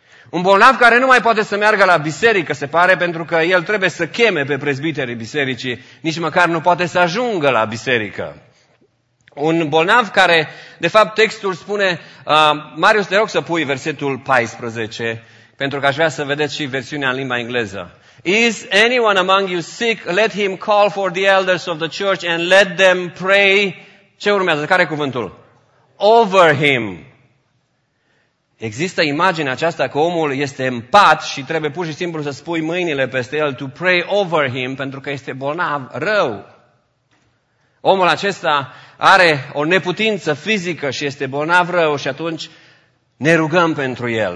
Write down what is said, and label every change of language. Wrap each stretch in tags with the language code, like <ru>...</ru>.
<ro>Un bolnav care nu mai poate să meargă la biserică, se pare, pentru că el trebuie să cheme pe prezbiterii bisericii, nici măcar nu poate să ajungă la biserică. Un bolnav care, de fapt, textul spune, Marius, te rog să pui versetul 14, pentru că aș vrea să vedeți și versiunea în limba engleză.</ro> <en>Is anyone among you sick? Let him call for the elders of the church and let them pray.</en> <ro>Ce urmează? Care e cuvântul?</ro> <en>Over him.</en> <ro>Există imaginea aceasta că omul este în pat și trebuie pur și simplu să spui mâinile peste el</ro> <en>to pray over him,</en> <ro>pentru că este bolnav, rău. Omul acesta are o neputință fizică și este bolnav, rău și atunci ne rugăm pentru el.</ro>